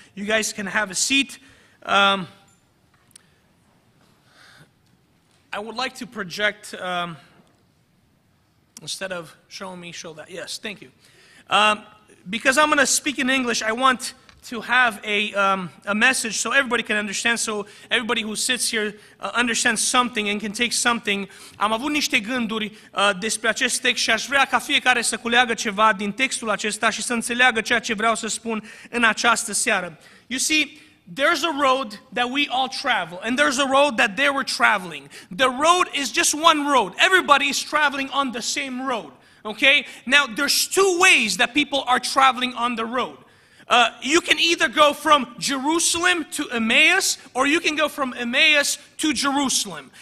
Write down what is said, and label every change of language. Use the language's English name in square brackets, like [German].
[English] You guys can have a seat. I would like to project, instead of showing me, show that. Yes, thank you. Because I'm going to speak in English, I want to have a message so everybody can understand, so everybody who sits here understands something and can take something. [Romanian] Am avut niște gânduri despre acest text și aș vrea ca fiecare să culeagă ceva din textul acesta și să înțeleagă ceea ce vreau să spun în această seară. [English] You see, there's a road that we all travel, and there's a road that they were traveling. The road is just one road. Everybody is traveling on the same road, okay? Now, there's two ways that people are traveling on the road. You can either go from Jerusalem to Emmaus, or you can go from Emmaus to Jerusalem.